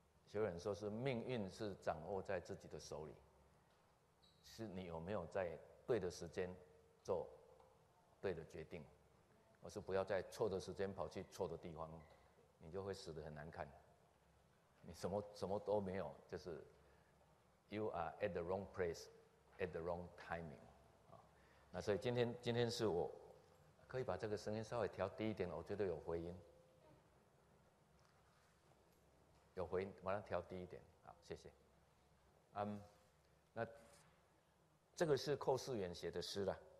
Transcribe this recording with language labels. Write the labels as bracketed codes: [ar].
[zh] 有人说是命运是掌握在自己的手里，是你有没有在对的时间做对的决定，而是不要在错的时间跑去错的地方，你就会死得很难看。你什么都没有，就是 [en] you are at the wrong place at the wrong timing。 [zh] 那所以今天是我可以把这个声音稍微调低一点，我觉得有回音，有回音，把它调低一点。好，谢谢。那这个是寇世远写的诗啦。